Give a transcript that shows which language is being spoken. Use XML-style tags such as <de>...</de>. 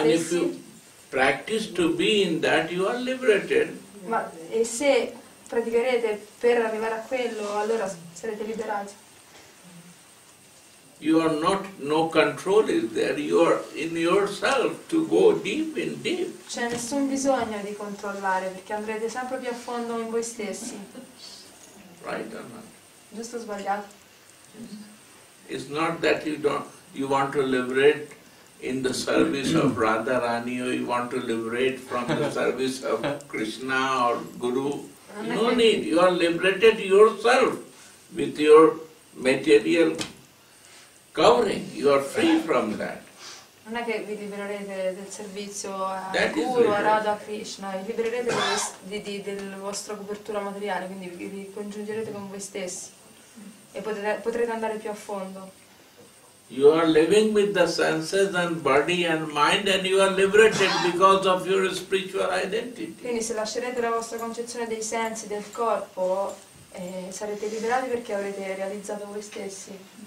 <en>and if you practice to be in that, you are liberated.</en> <it>Ma e se praticherete per arrivare a quello, allora sarete liberati.</it> <en>You are not, no control is there, you are in yourself to go deep in deep.</en> <it>C'è nessun bisogno di controllare perché andrete sempre più a fondo in voi stessi.</it> <en>Right or not?</en> <it>Giusto o sbagliato?</it> <en>It's not that you don't, you want to liberate in the service of Radharani or you want to liberate from the service of Krishna or Guru. No need, you are liberated yourself with your material covering, you are free from that.</en> <it>Non è che vi libererete del servizio a Guru, a Radha, a Krishna, vi libererete del vostro copertura materiale, quindi vi ricongiungerete con voi stessi e potrete andare più a fondo.</it> <en>You are living with the senses and body and mind and you are liberated because of your spiritual identity.</en> <it>Quindi se lascerete la vostra concezione dei sensi, del corpo, sarete liberati perché avrete realizzato voi stessi.</it>